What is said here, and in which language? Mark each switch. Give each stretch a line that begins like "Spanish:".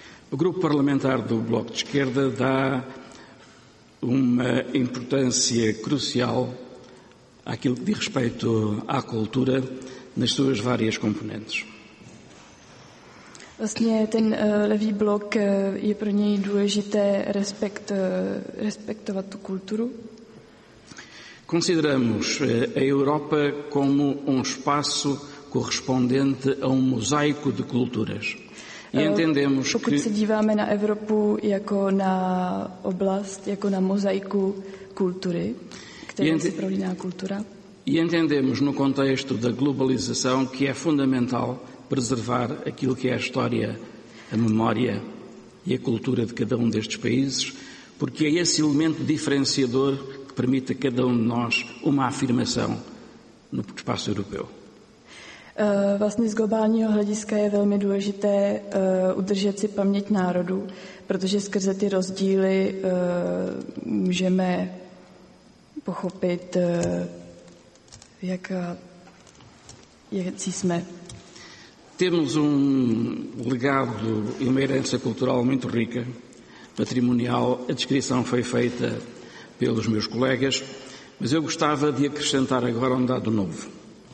Portuguese: O grupo parlamentar do Bloco de Esquerda dá uma importância crucial àquilo que diz respeito à cultura nas suas várias componentes.
Czech: Vlastně ten levý blok je pro něj důležité respektovat tu kulturu.
Portuguese: Consideramos a Europa como espaço correspondente a mosaico de culturas. E entendemos
Czech: pokud se díváme na Evropu jako na oblast, jako na mozaiku kultury, které se prolíná kultura.
Portuguese: E entendemos no contexto da globalização que é fundamental preservar aquilo que é a história, a memória e a cultura de cada destes países, porque é esse elemento diferenciador que permite a cada de nós uma afirmação no espaço europeu.
Czech: Vlastně z globálního hlediska je velmi důležité udržet si paměť národů, protože skrze ty rozdíly můžeme pochopit, jaký jsme.
Portuguese: Temos legado e uma herança cultural muito rica, patrimonial. A descrição foi feita pelos meus colegas, mas eu gostava de acrescentar agora dado novo.